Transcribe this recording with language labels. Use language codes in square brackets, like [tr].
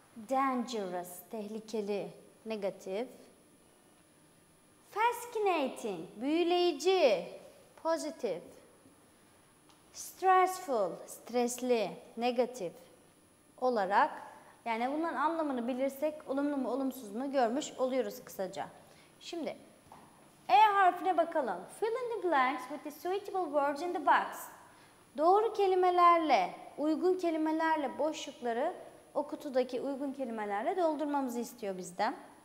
[tr] Dangerous, tehlikeli, negatif. Fascinating, büyüleyici, positive. Stressful, stresli, negatif olarak, yani bunların anlamını bilirsek olumlu mu olumsuz mu görmüş oluyoruz kısaca. Şimdi E harfine bakalım. [en] Fill in the blanks with the suitable words in the box. [tr] Doğru kelimelerle, uygun kelimelerle boşlukları o kutudaki uygun kelimelerle doldurmamızı istiyor bizden.